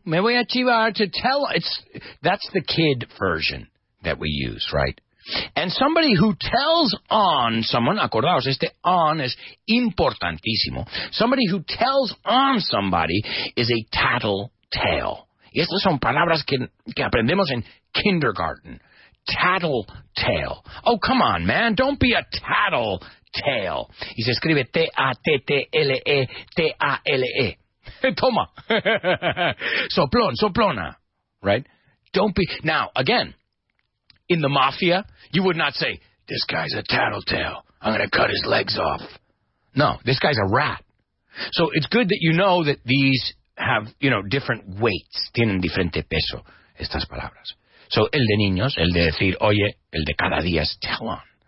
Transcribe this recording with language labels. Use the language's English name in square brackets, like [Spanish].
[Spanish] Me voy a chivar [English] to tell. That's the kid version that we use, right? And somebody who tells on someone, [Spanish] acordaos, este [English] on is [Spanish] importantísimo. [English] Somebody who tells on somebody is a tattletale. [Spanish] Y estas son palabras que aprendemos en kindergarten. [English] Tattletale. Oh, come on, man. Don't be a tattletale. [Spanish] Y se escribe T-A-T-T-L-E-T-A-L-E. Toma. Soplón, soplona. [English] Right? Don't be. Now, again, in the mafia, you would not say, this guy's a tattletale. I'm going to cut his legs off. No, this guy's a rat. So it's good that you know that these have, you know, different weights. [Spanish] Tienen diferente peso, estas palabras. So el de niños, el de decir, oye, el de cada día es tell on.